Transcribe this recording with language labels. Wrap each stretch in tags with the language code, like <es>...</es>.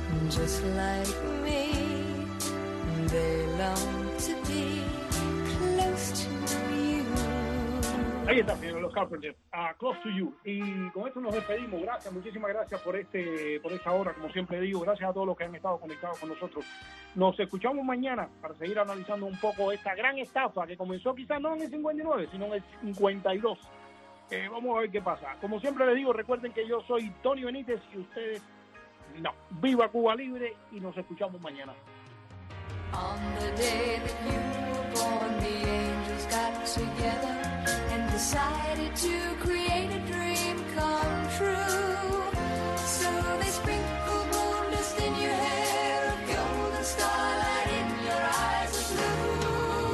<en>Just like me, they long to be close to you.</en> <es>Ahí está, señores, los Carpenters, Close to You. Y con esto nos despedimos. Gracias, muchísimas gracias por esta hora, como siempre digo. Gracias a todos los que han estado conectados con nosotros. Nos escuchamos mañana para seguir analizando un poco esta gran estafa que comenzó quizás no en el 59, sino en el 52. Vamos a ver qué pasa. Como siempre les digo, recuerden que yo soy Tony Benítez y ustedes... No, viva Cuba Libre y nos escuchamos mañana.</es> <en>On the day that you were born, the angels got together and decided to create a dream come true. So they sprinkled moon dust in your hair, a golden starlight in your eyes of blue.</en>